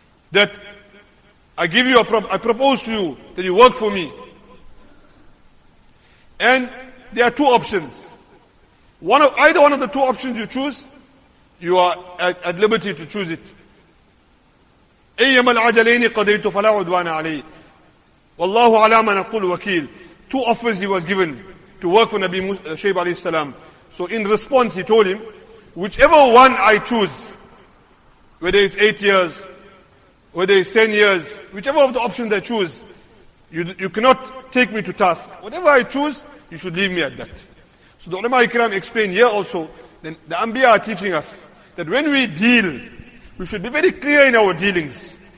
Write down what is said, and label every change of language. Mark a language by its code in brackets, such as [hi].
[en] That I propose to you that you work for me. And there are two options. Either one of the two options you choose, you are at liberty to choose it. [ar] أيما العجلين قضيت فلا عدوان علي والله على ما نقول وكيل. [en] Two offers he was given to work for Nabi Shaib alayhi salam. So in response he told him, whichever one I choose, whether it's 8 years, whether it's 10 years, whichever of the options I choose, you cannot take me to task. Whatever I choose, you should leave me at that. So the ulama ikram explained here also, then the Anbiya are teaching us that when we deal, we should be very clear in our dealings.